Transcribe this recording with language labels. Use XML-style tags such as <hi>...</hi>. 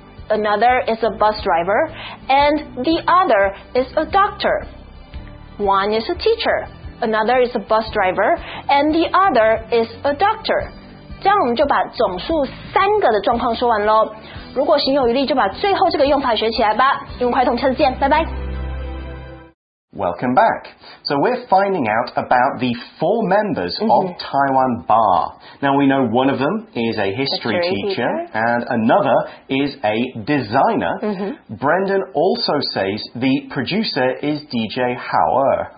<en>Another is a bus driver, and the other is a doctor. One is a teacher, another is a bus driver, and the other is a doctor.</en> <zh>这样我们就把总数三个的状况说完咯。如果行有余力，就把最后这个用法学起来吧。用快通，下次见，拜拜。</zh> <en>Welcome back. So we're finding out about the four members of Taiwan Bar. Now we know one of them is a history teacher and another is a designer. Brendan also says the producer is DJ Hauer.</en>